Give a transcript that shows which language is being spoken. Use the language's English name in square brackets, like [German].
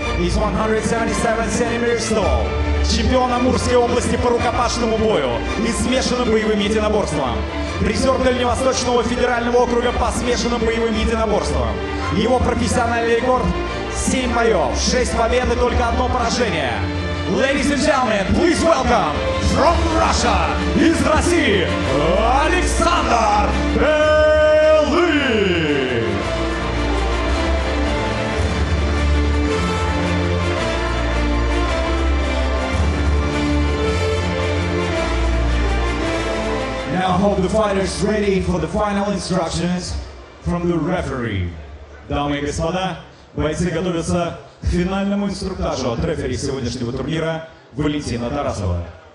[English] He's 177 centimeters tall. [Russian] Чемпион Амурской области по рукопашному бою и смешанным боевым единоборствам. Призер Дальневосточного федерального округа по смешанным боевым единоборствам. Его профессиональный рекорд 7 боев, 6 побед и только одно поражение. [English] Ladies and gentlemen, please welcome from Russia, [Russian] из России, [English] Александр Белых! Now hope the fighters ready for the final instructions from the referee. [Russian] Дамы и господа, бойцы готовятся к финальному инструктажу от рефери сегодняшнего турнира Валентина Тарасова.